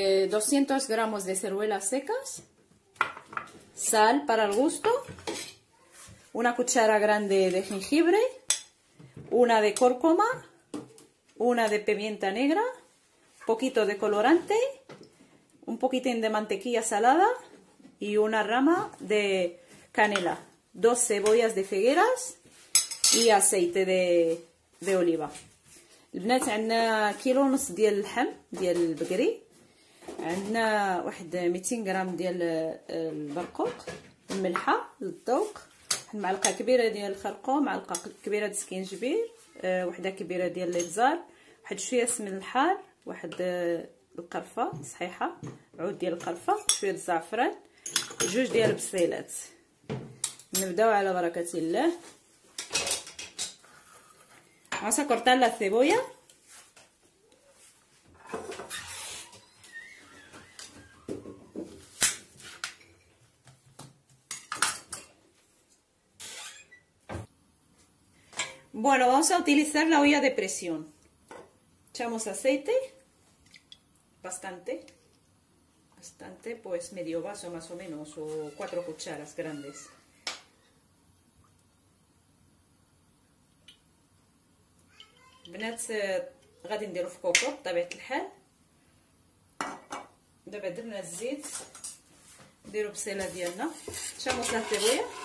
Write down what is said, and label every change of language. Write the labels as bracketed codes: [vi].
[es] 200 gramos de ciruelas secas, sal para el gusto, una cuchara grande de jengibre, una de cúrcuma, una de pimienta negra, un poquito de colorante, un poquitín de mantequilla salada y una rama de canela, dos cebollas de figueras y aceite de oliva. [ar] البنات عندنا كيلو ونص ديال اللحم ديال البقري عندنا واحد 200 غرام ديال البرقوق الملحه للذوق واحد معلقه كبيره ديال الخرقوم معلقه كبيره ديال السكينجبير واحده كبيره ديال الابزار واحد شويه سمن الحار واحد القرفه صحيحه عود ديال القرفه شويه الزعفران جوج ديال البصيلات نبداو على بركه الله عسى كورتار لا سيبويا [es] Bueno, vamos a utilizar la olla de presión. Echamos aceite, bastante, pues medio vaso más o menos, o 4 cucharas grandes. [ar] بنات غادي نديرو في كوكو بطبيعة الحال دابا درنا الزيت نديرو بصيلة ديالنا [es] شاموس لا سيبويا